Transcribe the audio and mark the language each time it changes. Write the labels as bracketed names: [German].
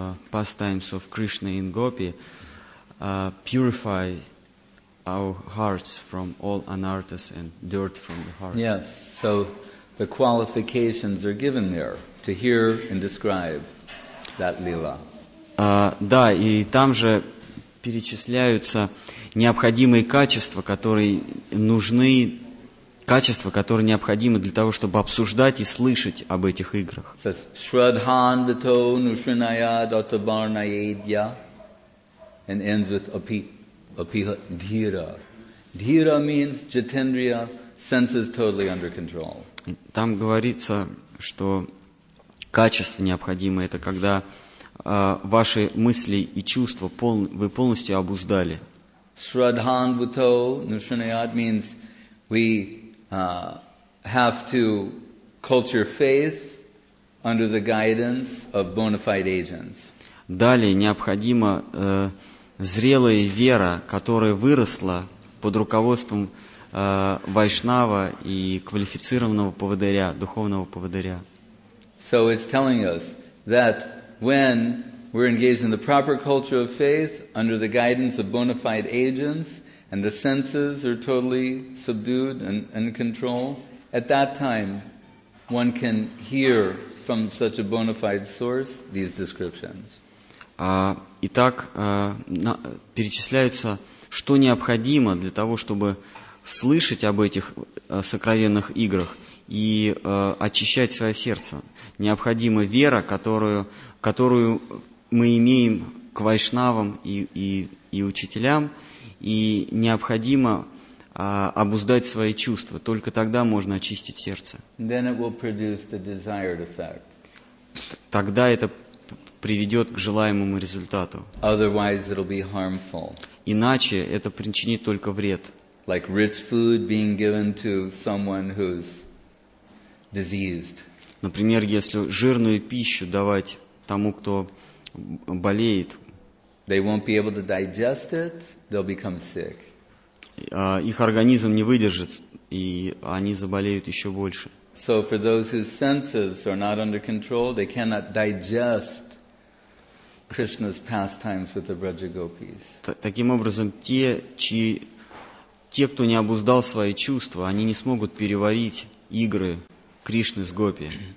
[English] pastimes of Krishna and Gopi purify our hearts from all anarthas and dirt from the heart. Yes, so the qualifications are given there to hear and describe that lila. [Russian] Да, и там же перечисляются необходимые качества, которые нужны, качества, которые необходимы для того, чтобы обсуждать и слышать об этих играх. [Sanskrit] Shradhan vito nushrinaya dottabarnayedya [English] and ends with [Sanskrit] api. [English] Apiha dhira. Dhira means jitendriya, senses totally under control. [Russian] Там говорится, что качество необходимое, это когда ваши мысли и чувства вы полностью обуздали. [English] Shradhan bhuto nushrinayad means we have to culture faith under the guidance of bona fide agents. [Russian] Далее необходимо зрелая вера, которая выросла под руководством вайшнава и квалифицированного поводыря, духовного поводыря. [English] So it's telling us that when we're engaged in the proper culture of faith under the guidance of bona fide agents and the senses are totally subdued and in control, at that time one can hear from such a bona fide source these descriptions. [Russian] Итак, перечисляются, что необходимо для того, чтобы слышать об этих сокровенных играх и очищать свое сердце. Необходима вера, которую мы имеем к вайшнавам и учителям, и необходимо обуздать свои чувства. Только тогда можно очистить сердце. [English] Then it will produce the desired effect. [Russian] Тогда это приведет к желаемому результату. [English] Otherwise it'll be harmful. [Russian] Иначе это причинит только вред. [English] Like rich food being given to someone who's diseased. [Russian] Например, если жирную пищу давать тому, кто болеет, [English] they won't be able to digest it, they'll become sick. [Russian] Их организм не выдержит, и они заболеют еще больше. [English] So for those whose senses are not under control, they cannot digest Krishna's pastimes with the Braja Gopis. [Russian] Таким образом, те, кто не обуздал свои чувства, они не смогут переварить игры Кришны с Гопи.